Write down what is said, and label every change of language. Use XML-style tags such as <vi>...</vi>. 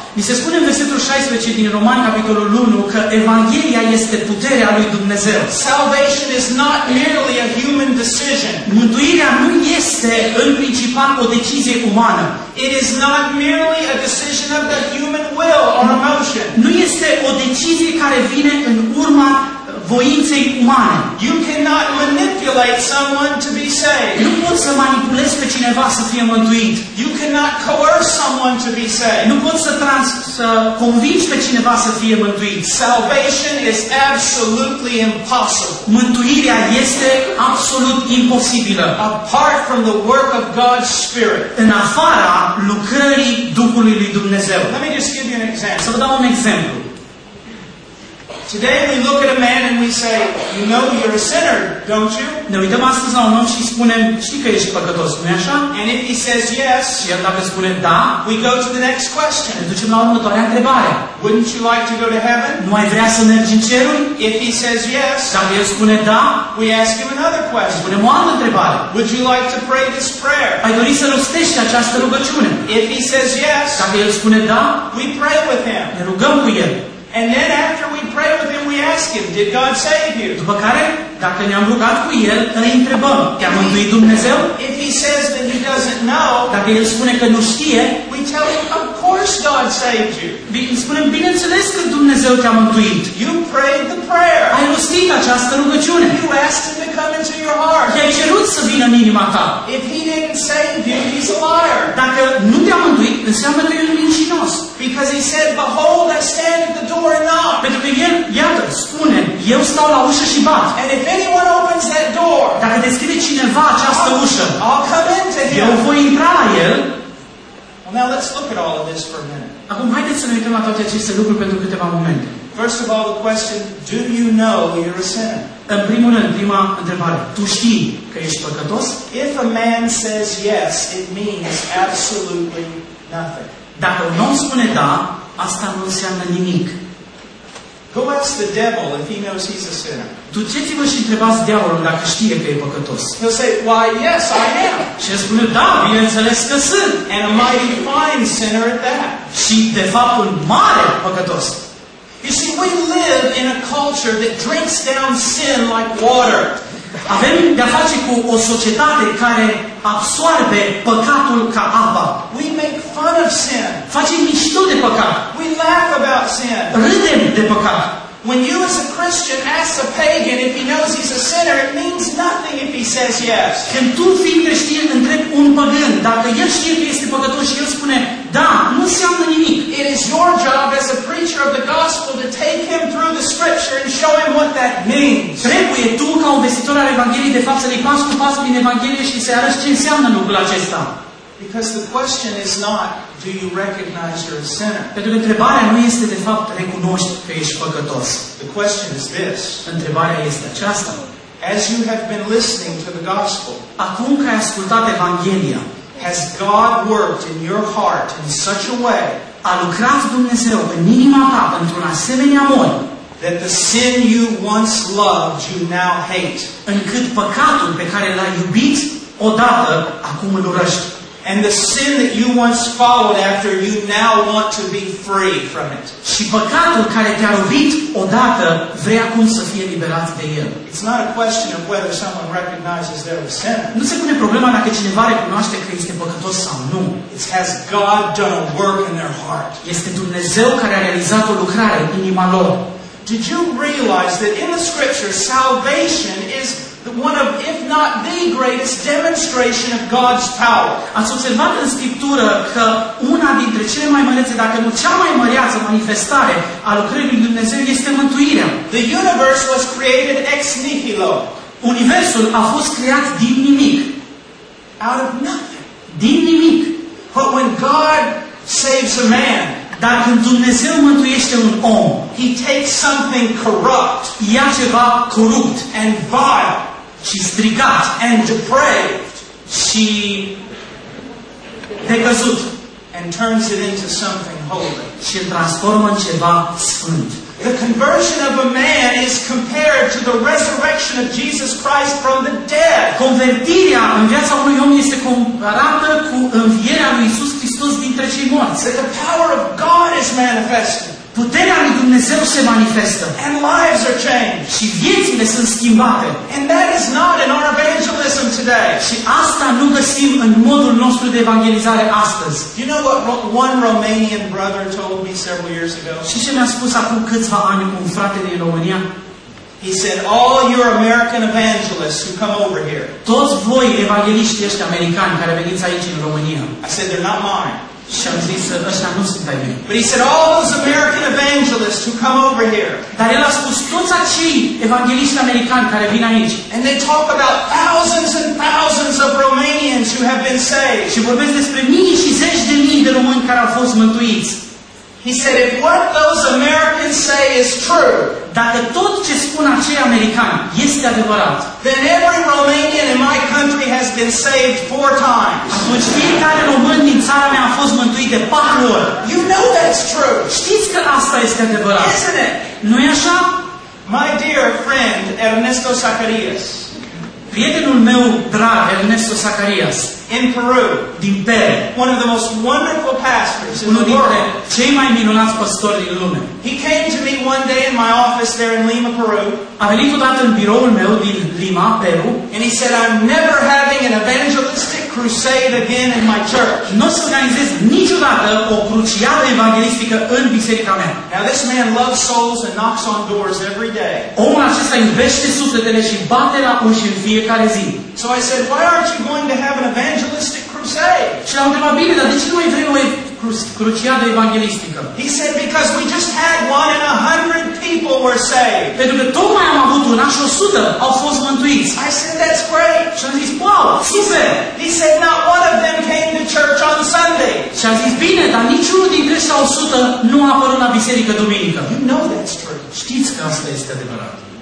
<ro>Mi se spune în versetul 16 din Romani capitolul 1 că evanghelia este puterea lui Dumnezeu.</ro> <en>Salvation is not merely a human decision.</en> <ro>Mântuirea nu este în principal o decizie umană.</ro> <en>It is not merely a decision of the human will or emotion.</en> <ro>Nu este o decizie care vine în urma voinței umane.</ro> <en>You cannot manipulate someone to be saved.</en> <ro>Nu poți să manipulezi pe cineva să fie mântuit.</ro> <en>You cannot coerce someone to be saved.</en> <ro>Nu poți să convingi pe cineva să fie mântuit.</ro> <en>Salvation is absolutely impossible.</en> <ro>Mântuirea este absolut imposibilă.</ro> <en>Apart from the work of God's Spirit.</en> <ro>În afara lucrării Duhului lui Dumnezeu.</ro> <en>Let me just give you an example.</en> <ro>Să vă dau un exemplu.</ro> <en>Today we look at a man and we say, you know you're a sinner, don't you?</en> <ro>Ne uităm astăzi la un om și spunem, știi că ești păcătos, nu-i așa?</ro> <en>And if he says yes,</en> <ro>și el dacă spune da,</ro> <en>we go to the next question.</en> <ro>Ne ducem la următoarea întrebare.</ro> <en>Wouldn't you like to go to heaven?</en> <ro>Nu ai vrea să mergi în ceruri?</ro> <en>If he says yes,</en> <ro>dacă el spune da,</ro> <en>we ask him another question.</en> <ro>Spunem o altă întrebare.</ro> <en>Would you like to pray this prayer?</en> <ro>Ai dori să rostești această rugăciune?</ro> <en>If he says yes,</en> <ro>dacă el spune da,</ro> <en>we pray with him.</en> <ro>Ne rugăm cu el.</ro> <en>And then after we pray with him, we ask him, did God save you?</en> <ro>După care, dacă ne-am rugat cu el, îl întrebăm, te-a mântuit Dumnezeu?</ro> <en>If he says that he doesn't know,</en> <ro>dacă el spune că nu știe,</ro> <en>we tell him, of course God saved you.</en> <ro>Îi spunem, bineînțeles că Dumnezeu te-a mântuit.</ro> <en>You prayed the prayer.</en> <ro>Ai rostit această rugăciune.</ro> <en>You asked him to come into your heart.</en> <ro>I-ai cerut să vină în inima ta.</ro> <en>If he didn't save you, he's a liar.</en> <ro>Dacă nu te-a mântuit, înseamnă că el e mincinos.</ro> <en>Because he said, behold, I stand at the door and knock.</en> <ro>Pentru că el, iată, spune, eu stau la ușă și bat.</ro> <en>And if anyone opens that door,</en> <ro>dacă deschide cineva această ușă,</ro> <en>I'll come into him.</en> <ro>Eu voi intra la el.</ro> <en>Well, now let's look at all of this for a minute.</en> <ro>Acum haideți să ne uităm la toate aceste lucruri pentru câteva momente.</ro> <en>First of all, the question, do you know you're a sinner?</en> <ro>În primul rând, prima întrebare, tu știi că ești păcătos?</ro> <en>If a man says yes, it means absolutely nothing.</en> <ro>Dacă un om spune da, asta nu înseamnă nimic.</ro> <en>Who asks the devil if he knows he's a sinner?</en> <ro>Duceți-vă și întrebați diavolul dacă știe că e păcătos.</ro> <en>He'll say, why, yes, I am.</en> <ro>Și el spune, da, bineînțeles că sunt.</ro> <en>And a mighty fine sinner at that.</en> <ro>Și de fapt un mare păcătos.</ro> <en>You see, we live in a culture that drinks down sin like water.</en> <ro>Avem de-a face cu o societate care absorbe păcatul ca apa.</ro> <en>We make fun of sin.</en> <ro>Facem mișto de păcat.</ro> <en>We laugh about sin.</en> <ro>Râdem de păcat.</ro> <en>When you as a Christian ask a pagan if he knows he's a sinner, it means nothing if he says yes.</en> <ro>Când tu fiind creștin întrebi un păgân dacă el știe că este păcătos și el spune da, nu înseamnă nimic.</ro> <en>It is your job as a preacher of the gospel to take him through the scripture and show him what that means.</en> <ro>Trebuie tu ca un vestitor al Evangheliei de fapt să-l iei pas cu pas prin Evanghelie și să-i arăți ce înseamnă lucrul acesta.</ro> <en>Because the question is not, do you recognize you're a sinner?</en> <ro>Pentru că întrebarea nu este de fapt recunoști că ești păcătos.</ro> <en>The question is this.</en> <ro>Întrebarea este aceasta.</ro> <en>As you have been listening to the gospel,</en> <ro>acum că ai ascultat Evanghelia,</ro> <en>has God worked in your heart in such a way,</en> <ro>a lucrat Dumnezeu în inima ta într-un asemenea mod,</ro> <en>that the sin you once loved you now hate,</en> <ro>încât păcatul pe care l-ai iubit odată acum îl urăști?</ro> <en>And the sin that you once followed after you now want to be free from it.</en> <ro>Și păcatul care te-a lovit odată vrea acum să fie eliberat de el.</ro> <en>It's not a question of whether someone recognizes they're a sinner.</en> <ro>Nu se pune problema dacă cineva recunoaște că este păcătos sau nu.</ro> <en>It's has God done a work in their heart.</en> <ro>Este Dumnezeu care a realizat o lucrare în inima lor.</ro> <en>Did you realize that in the scripture salvation is one of, if not the greatest demonstration of God's power.</en> <ro>Ați observat în Scriptură că una dintre cele mai mărețe, dacă nu cea mai măreață manifestare a lucrării lui Dumnezeu este mântuirea.</ro> <en>The universe was created ex nihilo.</en> <ro>Universul a fost creat din nimic.</ro> <en>Out of nothing.</en> <ro>Din nimic.</ro> <en>But when God saves a man,</en> <ro>dar când Dumnezeu mântuiește un om,</ro> <en>he takes something corrupt,</en> <ro>ia ceva corupt</ro> <en>and vile,</en> <ro>și strigat</ro> <en>and depraved,</en> <ro>și decăzut,</ro> <en>and turns it into something holy,</en> <ro>și îl transformă în ceva sfânt.</ro> <en>The conversion of a man is compared to the resurrection of Jesus Christ from the dead.</en> <ro>Convertirea în viața unui om este comparată cu învierea lui Iisus Hristos dintre cei morți.</ro> <en>The power of God is manifested.</en> <ro>Puterea lui Dumnezeu se manifestă.</ro> <en>And lives are changed.</en> <ro>Și viețile sunt schimbate.</ro> <en>And that is not in our evangelism today.</en> <ro>Și asta nu găsim în modul nostru de evangelizare astăzi.</ro> <en>You know what one Romanian brother told me several years ago?</en> <ro>Și ce mi-a spus acum câțiva ani un frate din România?</ro> <en>He said, all your American evangelists who come over here.</en> <ro>Toți voi evangeliști ăștia americani care veniți aici în România.</ro> <en>I said, they're not mine.</en> <ro>Și am zis, ăștia nu sunt ai mei.</ro> <en>But he said, all those American evangelists who come over here.</en> <ro>Dar el a spus, toți acei evangeliști americani care vin aici.</ro> <en>And they talk about thousands and thousands of Romanians who have been saved.</en> <ro>Și vorbesc despre mii și zeci de mii de români care au fost mântuiți.</ro> <en>He said, if what those Americans say is true,</en> <ro>dacă tot ce spun acei americani este adevărat,</ro> <en>then every Romanian in my country has been saved 4 times.</en> <ro>Atunci fiecare român din țara mea a fost mântuit de 4 ori.</ro> <en>You know that's true.</en> <ro>Știți că asta este adevărat.</ro> <en>Isn't it?</en> <ro>Nu e așa?</ro> <en>My dear friend Ernesto Zacarias.</en> <ro>Prietenul meu drag Ernesto Zacarias.</ro> <en>In Peru,</en> <ro>din Peru,</ro> <en>one of the most wonderful pastors in the world.</en> <ro>Cei mai minunați pastori din lume.</ro> <en>He came to me one day in my office there in Lima, Peru.</en> <ro>A venit odată în biroul meu din Lima, Peru.</ro> <en>And he said, I'm never having an evangelistic crusade again in my church.</en> <ro>Nu o să organizez niciodată o cruciadă evanghelistică în biserica mea.</ro> <en>Now this man loves souls and knocks on doors every day.</en> <ro>Omul acesta iubește sufletele și bate la ușă în fiecare zi.</ro> <en>So I said, why aren't you going to have an evangelistic crusade?</en> <ro>Și am întrebat, bine, dar de ce nu ai vrea o cruciadă evanghelistică?</ro> <en>He said, because we just had one and 100 people were saved.</en> <ro>Pentru că tocmai am avut una și 100 au fost mântuiți.</ro> <en>I said, that's great.</en> <ro>Și am zis, wow, super.</ro> <en>He said, not one of them came to church on Sunday.</en> <ro>Și am zis, bine, dar niciunul dintre ăștia 100 nu a apărut la biserică duminică.</ro> <en>You know that's true.</en> <ro>Știți că asta este adevărat.</ro>